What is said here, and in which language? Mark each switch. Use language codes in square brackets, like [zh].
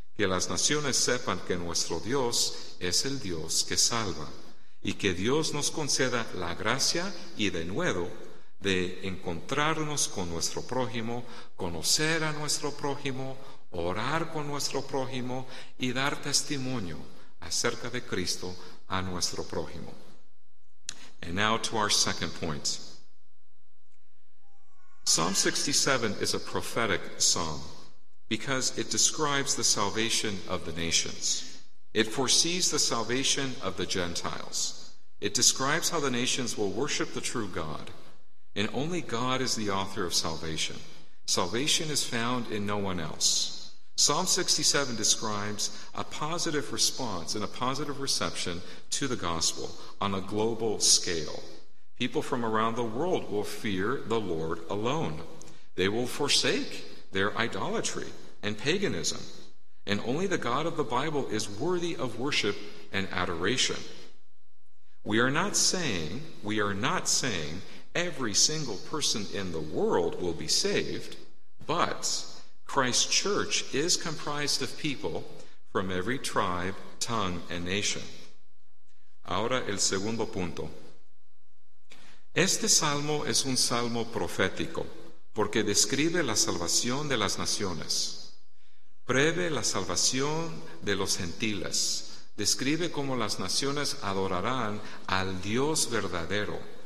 [es] Que las naciones sepan que nuestro Dios es el Dios que salva y que Dios nos conceda la gracia y denuedo de encontrarnos con nuestro prójimo, conocer a nuestro prójimo, orar con nuestro prójimo y dar testimonio acerca de Cristo a nuestro prójimo. [en] And now to our second point. Psalm 67 is a prophetic psalm because it describes the salvation of the nations. It foresees the salvation of the Gentiles. It describes how the nations will worship the true God. And only God is the author of salvation. Salvation is found in no one else. Psalm 67 describes a positive response and a positive reception to the gospel on a global scale. People from around the world will fear the Lord alone. They will forsake their idolatry and paganism. And only the God of the Bible is worthy of worship and adoration. We are not saying every single person in the world will be saved, but Christ's church is comprised of people from every tribe, tongue, and nation. [es] Ahora el segundo punto. Este salmo es un salmo profético, porque describe la salvación de las naciones. Prevé la salvación de los gentiles. Describe cómo las naciones adorarán al Dios verdadero.